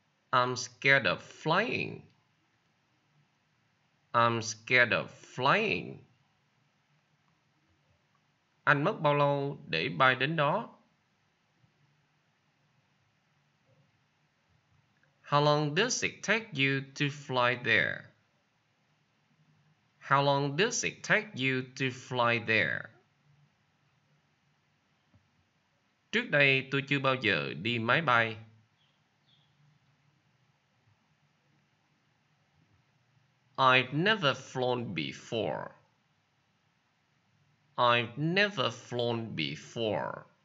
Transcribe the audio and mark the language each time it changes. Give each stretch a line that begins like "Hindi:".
English: I'm scared of flying. I'm scared of flying.
Vietnamese: Anh mất bao lâu để bay đến đó?
English: How long does it take you to fly there? How long does it take you to fly there?
Vietnamese: Trước đây tôi chưa bao giờ đi máy bay.
English: I've never flown before. I've never flown before.